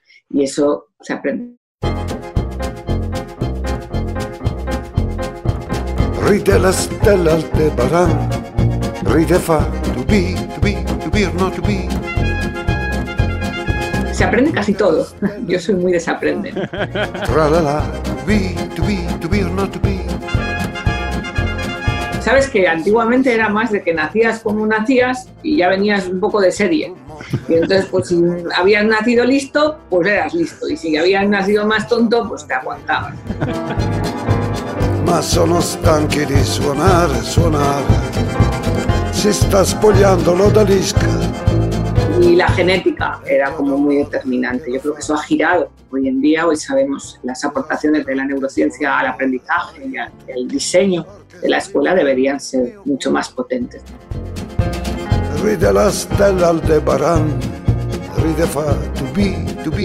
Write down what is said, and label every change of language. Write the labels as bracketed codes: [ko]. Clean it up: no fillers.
[es] Y eso se aprende. [it] Ride la stella Aldebarán, ride fa, [en] to be or not to be. [es] Se aprende casi todo, yo soy muy desaprende. [en] Tra la la, to be, to be or not to be. [es] Sabes que antiguamente era más de que nacías como nacías y ya venías un poco de serie. Y entonces, pues si habías nacido listo, pues eras listo. Y si habías nacido más tonto, pues te aguantabas. [it] Ma sono stanchi di suonare, suonare. Si sta spogliando l'odalisca. [es] Y la genética era como muy determinante. Yo creo que eso ha girado hoy en día. Hoy sabemos las aportaciones de la neurociencia al aprendizaje y al diseño de la escuela deberían ser mucho más potentes. [it] Ride la stella Aldebarán. Ride fa [en] to be, to be.